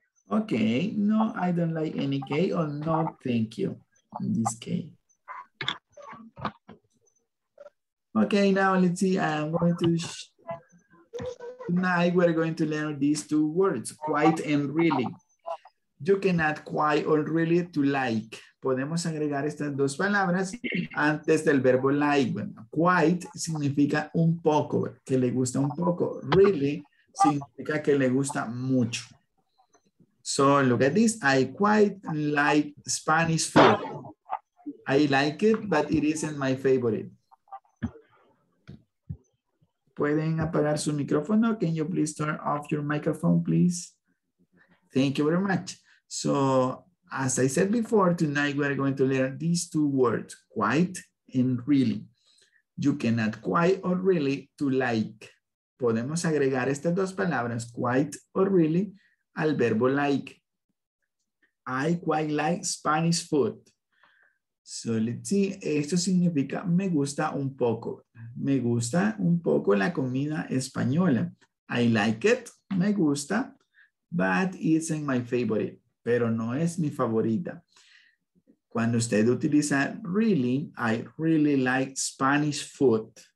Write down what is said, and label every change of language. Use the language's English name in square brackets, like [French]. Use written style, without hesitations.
[English] Okay. No, I don't like any cake. Oh, no, thank you. In this case. Okay, now let's see. I'm going to. Tonight we're going to learn these two words, quite and really. You can add quite or really to like. [Spanish] Podemos agregar estas dos palabras antes del verbo like. Bueno, quite significa un poco, que le gusta un poco. Really significa que le gusta mucho. [English] So look at this. I quite like Spanish food. I like it, but it isn't my favorite. [Spanish] Pueden apagar su micrófono. [English] Can you please turn off your microphone, please? Thank you very much. So, as I said before, tonight we are going to learn these two words, quite and really. You can add quite or really to like. [Spanish] Podemos agregar estas dos palabras, quite or really, al verbo like. [English] I quite like Spanish food. So let's see, [Spanish] esto significa me gusta un poco. Me gusta un poco la comida española. [English] I like it, [Spanish] me gusta, [English] but isn't my favorite. [Spanish] Pero no es mi favorita. Cuando usted utiliza really, [English] I really like Spanish food.